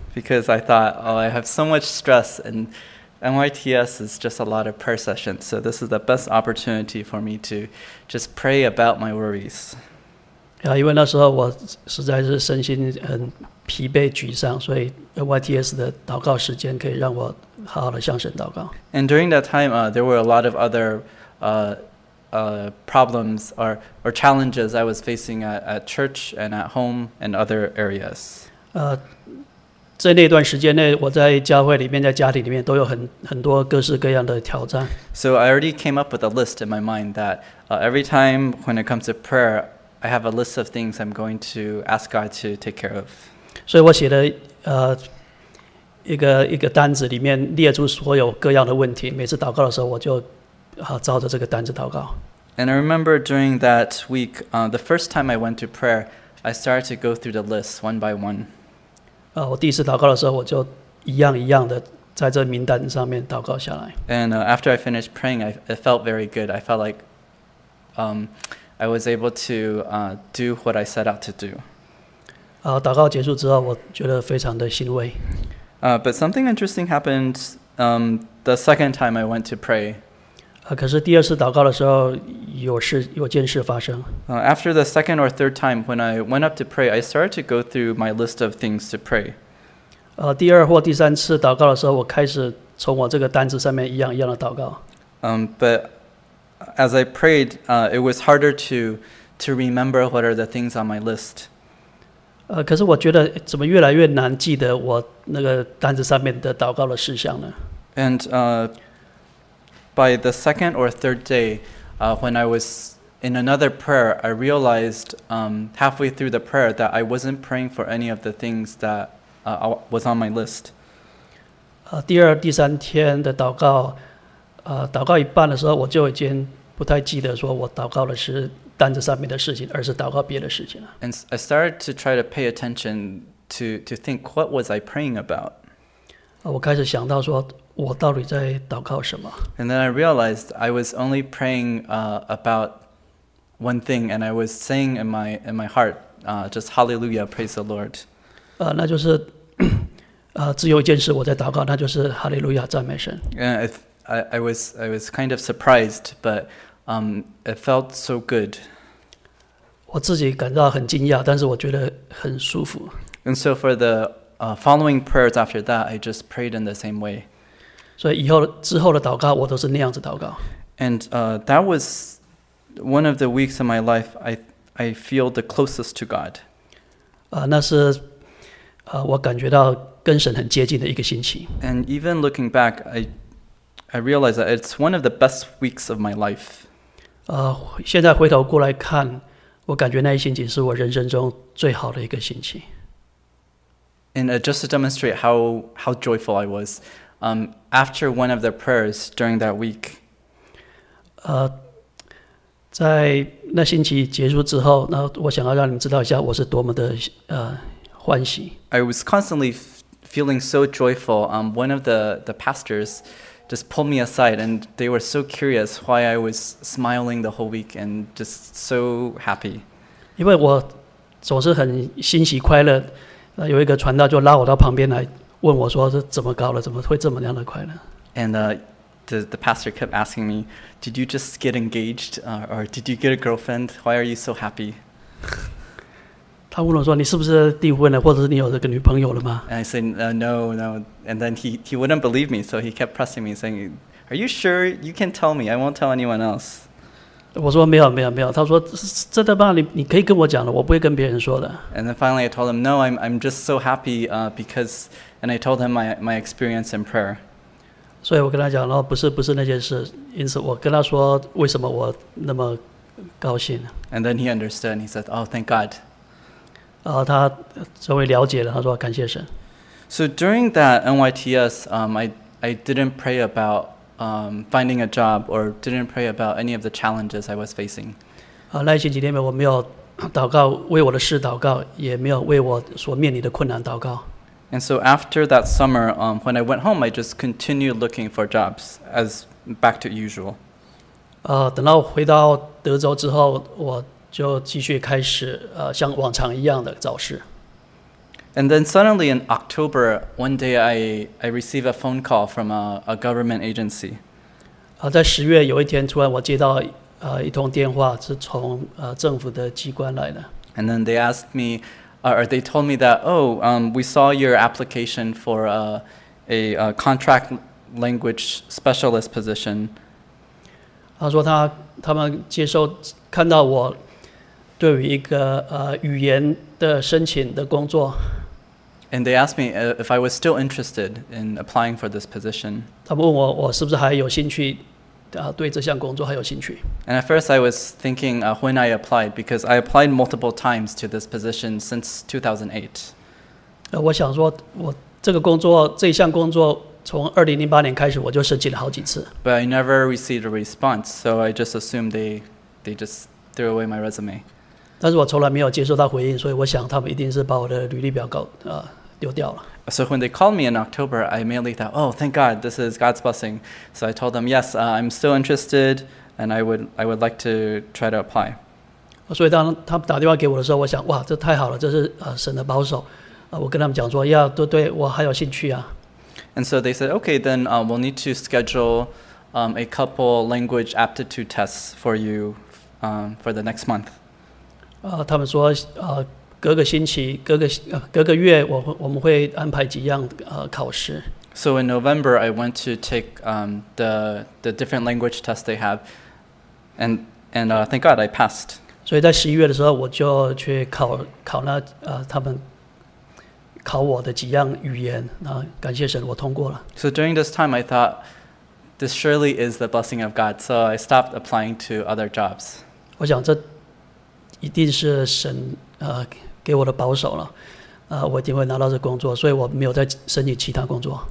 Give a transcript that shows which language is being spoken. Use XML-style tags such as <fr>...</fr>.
<en>Because I thought, oh, I have so much stress, and NYTS is just a lot of prayer sessions, so this is the best opportunity for me to just pray about my worries.</en> <zh>Yeah, 因为那时候我实在是身心很疲惫沮丧，所以 NYTS 的祷告时间可以让我好好的向神祷告。</zh> <en>And during that time, there were a lot of other problems or challenges I was facing at church and at home and other areas.</en> <zh>在那段时间内，我在教会里面，在家庭里面都有很多各式各样的挑战。</zh> <en>So I already came up with a list in my mind that every time when it comes to prayer, I have a list of things I'm going to ask God to take care of.</en> <zh>所以我写了一个单子，里面列出所有各样的问题。每次祷告的时候，我就照着这个单子祷告。</zh> <en>And I remember during that week, the first time I went to prayer, I started to go through the list one by one.</en> <zh>我第一次祷告的时候，我就一样一样的在这名单上面祷告下来。</zh> <en>And after I finished praying, it felt very good. I felt like I was able to do what I set out to do.</en> <zh>祷告结束之后，我觉得非常的欣慰。</zh> <en>But something interesting happened the second time I went to pray.</en> <zh>可是第二次祷告的时候，有件事发生。</zh> <en>After the second or third time when I went up to pray, I started to go through my list of things to pray.</en> <zh>第二或第三次祷告的时候，我开始从我这个单子上面一样一样的祷告。</zh> <en>But as I prayed, it was harder to remember what are the things on my list.</en> <zh>可是我觉得怎么越来越难记得我那个单子上面的祷告的事项呢？</zh> <en>And by the second or third day, when I was in another prayer, I realized halfway through the prayer that I wasn't praying for any of the things that was on my list.</en> <zh>第二、第三天的祷告，祷告一半的时候，我就已经不太记得说我祷告的是单子上面的事情，而是祷告别的事情了。</zh> <en>And I started to try to pay attention to think, what was I praying about?</en> <zh>我开始想到说我到底在祷告什么？</zh> <en>And then I realized I was only praying about one thing, and I was saying in my heart, just Hallelujah, praise the Lord.</en> <zh>那就是只有一件事我在祷告，那就是 Hallelujah, 赞美神。</zh> <en>And I was kind of surprised, but it felt so good.</en> <zh>我自己感到很惊讶，但是我觉得很舒服。</zh> <en>And so for the following prayers after that, I just prayed in the same way.</en> <zh>所以之后的祷告，我都是那样子祷告。</zh> <en>And that was one of the weeks of my life I feel the closest to God.</en> <zh>那是我感觉到跟神很接近的一个星期。</zh> <en>And even looking back, I realize that it's one of the best weeks of my life.</en> <zh>现在回头过来看，我感觉那一星期是我人生中最好的一个星期。</zh> <en>And just to demonstrate how joyful I was. After one of the prayers during that week,</en> <zh>在那星期结束之后，那我想要让你们知道一下，我是多么的欢喜。</zh> <en>I was constantly feeling so joyful. One of the pastors just pulled me aside, and they were so curious why I was smiling the whole week and just so happy.</en> <zh>因为我总是很欣喜快乐，有一个传道就拉我到旁边来。问我说是怎么搞的，怎么会这么样的快乐？</zh> <en>And the pastor kept asking me, did you just get engaged, or did you get a girlfriend? Why are you so happy?</en> <zh>他问我说你是不是订婚了，或者是你有这个女朋友了吗？</zh> <en>And I said, no. And then he wouldn't believe me, so he kept pressing me, saying, are you sure? You can tell me, I won't tell anyone else.</en> <zh>我说没有。他说真的吗？你可以跟我讲的，我不会跟别人说的。</zh> <en>And then finally I told him, no, I'm just so happy, becauseAnd I told him my experience in prayer. So I told him, no, not those things. So I told him why I'm so</en> <zh>高兴了。</zh> <en>And then he understood. He said, "Oh, thank God."</en> <zh>他终于了解了。他说感谢神。</zh> <en>So during that NYTS, I didn't pray about finding a job or didn't pray about any of the challenges I was facing.</en> <zh>那些几天我没有祷告为我的事祷告，也没有为我所面临的困难祷告。</zh> <en>And so after that summer, when I went home, I just continued looking for jobs as back to usual.</en> <zh>等到回到德州之后，我就继续开始像往常一样的找事。</zh> <en>And then suddenly in October, one day I received a phone call from a government agency.</en> <zh>在十月有一天，突然我接到一通电话，是从政府的机关来的。</zh> <en>And then they asked me. Or they told me that, we saw your application for a contract language specialist position.</en> <zh>他说他们接受看到我对于一个语言的申请的工作。</zh> <en>And they asked me if I was still interested in applying for this position.</en> <zh>他问我是不是还有兴趣对这项工作还有兴趣。</zh> <en>And at first I was thinking when I applied, because I applied multiple times to this position since 2008.</en> <zh>我想说我这个工作这项工作从2008年开始我就申请了好几次。</zh> <en>But I never received a response, so I just assumed they just threw away my resume.</en> <zh>但是我从来没有接受到回应，所以我想他们一定是把我的履历表搞丢掉了。</zh> <en>So when they called me in October, I mainly thought, oh, thank God, this is God's blessing. So I told them, yes, I'm still interested, and I would like to try to apply. So when they called me in October, I thought, wow, this is great. This is God's blessing. I told them, yes, I'm still interested, and I would like to try to apply. And so they said, okay, then we'll need to schedule a couple language aptitude tests for you for the next month. They said,</en> <zh>隔个星期，隔个月，我们会安排几样考试。</zh> <en>So in November, I went to take the different language test they have, and thank God I passed.</en> <zh>所以在十一月的时候，我就去考那他们考我的几样语言，那感谢神，我通过了。</zh> <en>So during this time, I thought this surely is the blessing of God. So I stopped applying to other jobs.</en> <zh>我想这一定是神给我的保守了，我一定会拿到这工作，所以我没有再申请其他工作。</zh>